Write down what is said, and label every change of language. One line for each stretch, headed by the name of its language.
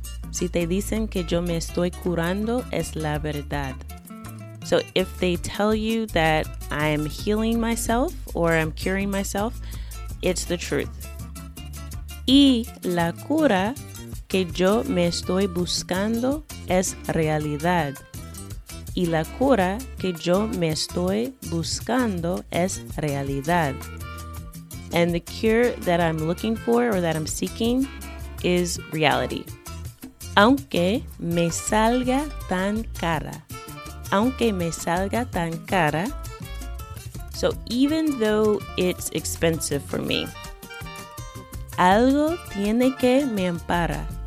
Spanish: Si te dicen que yo me estoy curando, es la verdad.
English: So if they tell you that I am healing myself or I'm curing myself, it's the truth.
Spanish: Y la cura que yo me estoy buscando es realidad. Y la cura que yo me estoy buscando es realidad.
English: And the cure that I'm looking for or that I'm seeking is reality.
Spanish: Aunque me salga tan cara. Aunque me salga tan cara.
English: So even though it's expensive for me,
Spanish: algo tiene que me ampara.